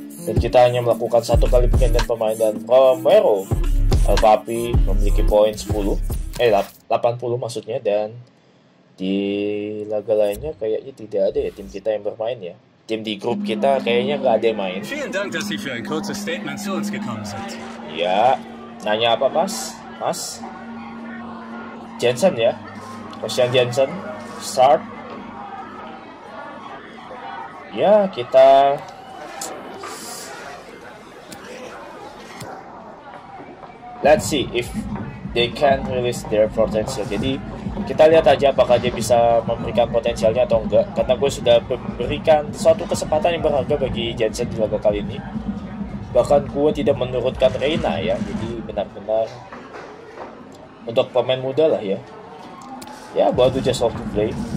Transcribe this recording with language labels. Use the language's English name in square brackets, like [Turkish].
[Indonesian] Dan kita hanya melakukan 1 kali pergantian pemain dan Romero El Papi memiliki poin 80 maksudnya dan di laga lainnya kayaknya tidak ada ya tim kita yang bermain ya. Tim di grup kita kayaknya enggak ada yang main. [German] Vielen Dank, dass Sie für ein kurzes Statement zu uns gekommen sind. [Indonesian] Ya, nanya apa, Mas? Mas? Jensen ya. Christian Jensen start. Ya, kita [English] let's see if they can release their potential. [Indonesian] Jadi kita lihat aja apakah dia bisa memberikan potensialnya atau enggak. Karena gue sudah memberikan suatu kesempatan yang berharga bagi Jensen di laga kali ini. Bahkan gue tidak menurunkan Reina ya. Jadi benar-benar untuk pemain muda lah ya. Ya, baru [English] just off to play.